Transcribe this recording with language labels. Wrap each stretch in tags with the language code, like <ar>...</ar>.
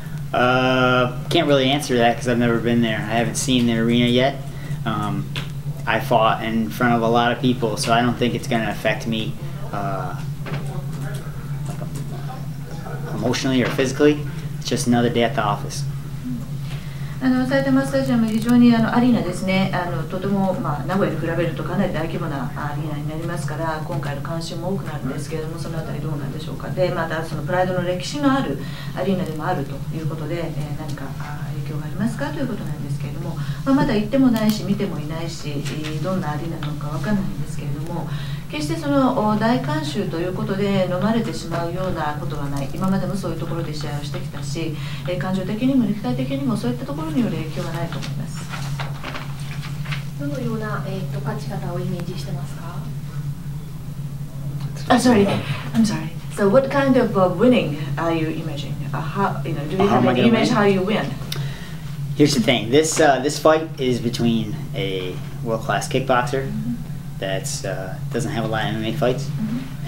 <en>Can't really answer that because I've never been there. I haven't seen the arena yet. I fought in front of a lot of people, so I don't think it's going to affect me emotionally or physically. It's just another day at the office.</en> <ja>埼玉スタジアム、非常にアリーナですね、とても、まあ、名古屋に比べるとかなり大規模なアリーナになりますから、今回の関心も多くなるんですけれども、そのあたりどうなんでしょうか。で、またそのプライドの歴史のあるアリーナでもあるということで、何か影響がありますかということなんですけれども、まあ、まだ行ってもないし、見てもいないし、どんなアリーナなのか分からないんですけれども、決してその大観衆ということで飲まれてしまうようなことはない。今までもそういうところで試合をしてきたし、感情的にも肉体的にもそういったところによる影響はないと思います。どのような、勝ち方をイメージしてますか？</ja> <en>I'm sorry. So what kind of winning are you imagining? Do you have any image how you win? Here's the thing. This fight is between a world-class kickboxer that's doesn't have a lot of MMA fights, mm-hmm.</en>